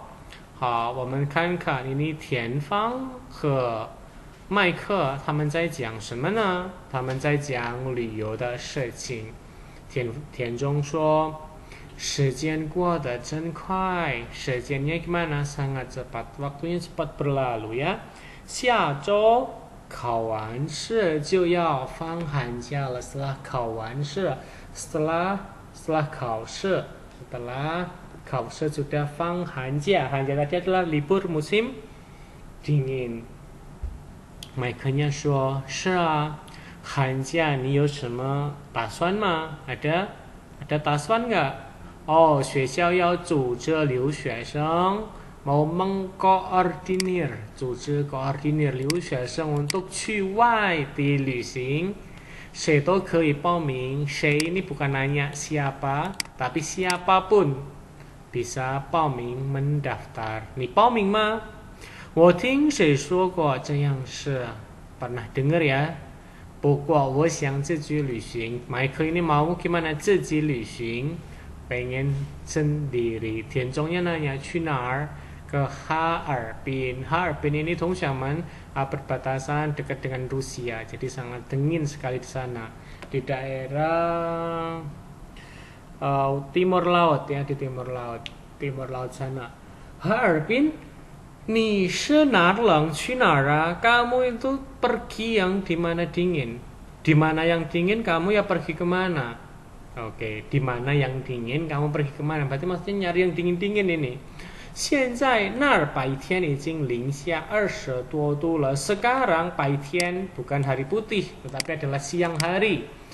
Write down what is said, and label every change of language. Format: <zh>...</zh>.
<zh>是公司要求我利用假期边旅行一边考察的。原来你是公费旅行啊。OK，课文也很长，因为生词也这个很多。好，我们看看 妮妮田方和麦克他们在讲什么呢？他们在讲旅游的事情。田中说。时间过得真快， 时间</zh> <id>nya gimana? Sangat cepat, waktunya cepat berlalu ya.</id> <zh>下周考完试就要放寒假了，</zh> <id>setelah考试 sudah fanghanjia, hanjia tadi adalah libur musim dingin.</id> <zh>Mike-nya so, 是啊, 寒假, 你有什么打算吗? Ada 打算gak? Oh, 学校要组织留学生</zh> <id>mau mengkoordinir,</id> <zh>组织koordinir 留学生 untuk去外地旅行。谁都可以报名，</zh> <id>谁, ini bukan nanya siapa, tapi siapapun bisa 报名 mendaftar.</id> <zh>你报名吗? 我听谁说过这样是,</zh> <id>pernah dengar ya.</id> <zh>不过我想自己旅行。</zh> <id>Michael ini mau gimana?</id> <zh>自己旅行,</zh> <id>pengen sendiri.</id> <zh>Tianzhong nanya, 去哪儿?</zh> <id>Ke Harbin. Harbin ini, teman-teman, perbatasan dekat dengan Rusia. Jadi sangat dingin sekali di sana. Di daerah timur laut ya, di timur laut. Timur laut sana.</id> <zh>Harbin, 你是哪儿冷去哪儿啊?</zh> <id>Kamu itu pergi yang dimana dingin. Dimana yang dingin, kamu ya pergi kemana? Oke, okay, di mana yang dingin kamu pergi kemana? Berarti maksudnya nyari yang dingin-dingin ini.</id> <zh>Xianzai nar baitian yijing lingxia 20多度了.</zh> <id>Sekarang baitian bukan hari putih, tetapi adalah siang hari.</id>